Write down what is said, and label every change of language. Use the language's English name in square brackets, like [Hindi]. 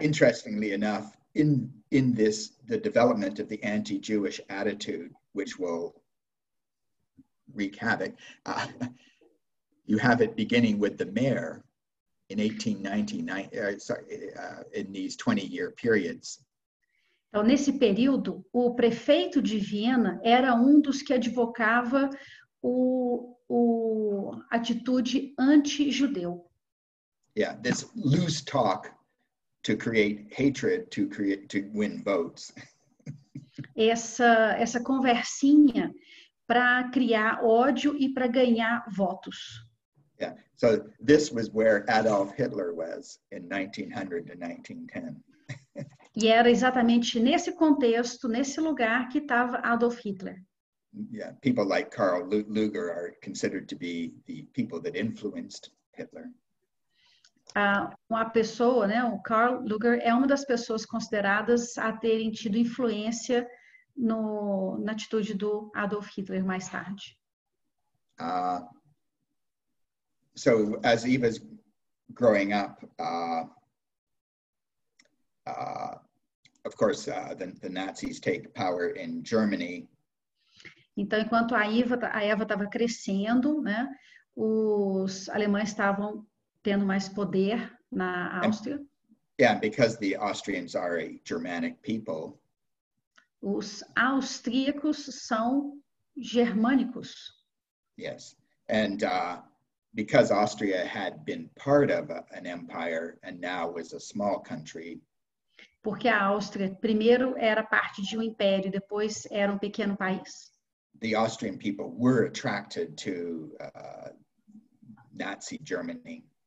[English] Interestingly enough, in this, the development of the anti-Jewish attitude, which will wreak havoc, you have it beginning with the mayor in 1899. In these 20-year periods. [Portuguese] Então, nesse período, o prefeito de Viena era um dos que advocava a atitude anti-judeu. [English] Yeah, this loose talk to create hatred, to win votes. [Portuguese] Essa conversinha para criar ódio e para ganhar votos. [English] Yeah, so this was where Adolf Hitler was in 1900 to 1910. [Portuguese] E era exatamente nesse contexto, nesse lugar, que estava Adolf Hitler. [English] Yeah, people like Karl Luger are considered to be the people that influenced Hitler. [Portuguese] Uma pessoa, né, o Karl Luger é uma das pessoas consideradas a terem tido influência na atitude do Adolf Hitler mais tarde. [English] So, as Eva's growing up, of course, the Nazis take power in Germany. [Portuguese] Então, enquanto a Eva estava crescendo, né, os alemães estavam tendo mais poder na Áustria. [English] Yeah, because the Austrians are a Germanic people. [Portuguese] Os austríacos são germânicos. [English] Yes, and because Austria had been part of an empire and now was a small country. [Portuguese] Porque a Áustria primeiro era parte de um império, depois era um pequeno país. [English] The Austrian people were attracted to Nazi Germany.